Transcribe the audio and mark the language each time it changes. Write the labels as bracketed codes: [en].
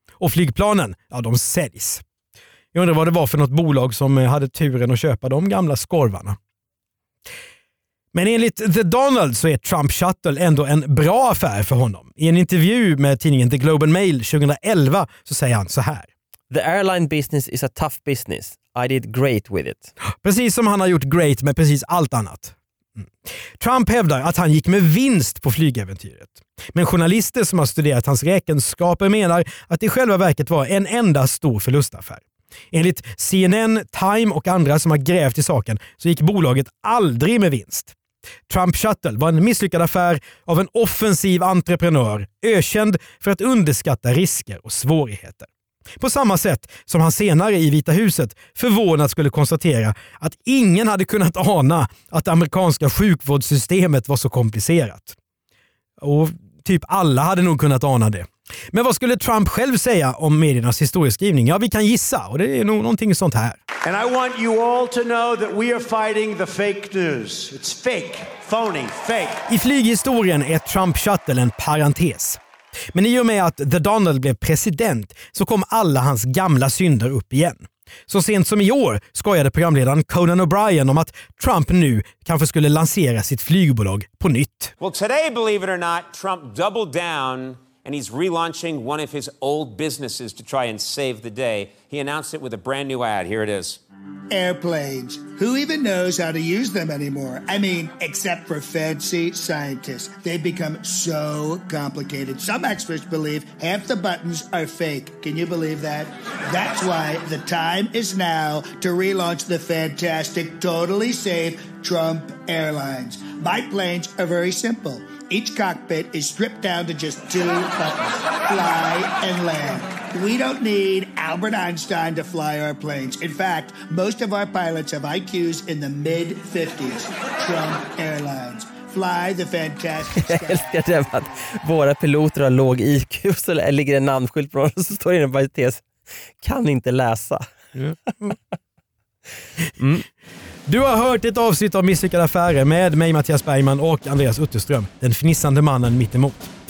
[sv] Och flygplanen, ja, de säljs. Jag undrar vad det var för något bolag som hade turen att köpa de gamla skorvarna. Men enligt The Donald så är Trump Shuttle ändå en bra affär för honom. I en intervju med tidningen The Globe and Mail 2011 så säger han så här: [en] "The airline business is a tough business. I did great with it." [sv] Precis som han har gjort great med precis allt annat. Trump hävdar att han gick med vinst på flygäventyret. Men journalister som har studerat hans räkenskaper menar att det i själva verket var en enda stor förlustaffär. Enligt CNN, Time och andra som har grävt i saken så gick bolaget aldrig med vinst. Trump Shuttle var en misslyckad affär av en offensiv entreprenör, ökänd för att underskatta risker och svårigheter. På samma sätt som han senare i Vita huset förvånat skulle konstatera att ingen hade kunnat ana att det amerikanska sjukvårdssystemet var så komplicerat. Och typ alla hade nog kunnat ana det. Men vad skulle Trump själv säga om mediernas historieskrivning? Ja, vi kan gissa, och det är nog någonting sånt här: [en] "And I want you all to know that we are fighting the fake news. It's fake, phony, fake." [sv] I flyghistorien är Trump Shuttle en parentes. Men i och med att The Donald blev president så kom alla hans gamla synder upp igen. Så sent som i år skojade programledaren Conan O'Brien om att Trump nu kanske skulle lansera sitt flygbolag på nytt. [en] "Well, today, believe it or not, Trump doubled down and he's relaunching one of his old businesses to try and save the day. He announced it with a brand new ad. Here it is." "Airplanes. Who even knows how to use them anymore? I mean, except for fancy scientists. They've become so complicated. Some experts believe half the buttons are fake. Can you believe that? That's why the time is now to relaunch the fantastic, totally safe Trump Airlines. My planes are very simple. Each cockpit is stripped down to just two buttons, fly and land. We don't need Albert Einstein to fly our planes. In fact, most of our pilots have IQs in the mid-50s. Trump Airlines. Fly the fantastic sky." [sv] Jag älskar det att våra piloter har låg IQ, så ligger en namnskylt på dem, så står det inom parentes: kan inte läsa. Mm. Du har hört ett avsnitt av Misslyckade affärer med mig, Mattias Bergman, och Andreas Utterström, den fnissande mannen mitt emot.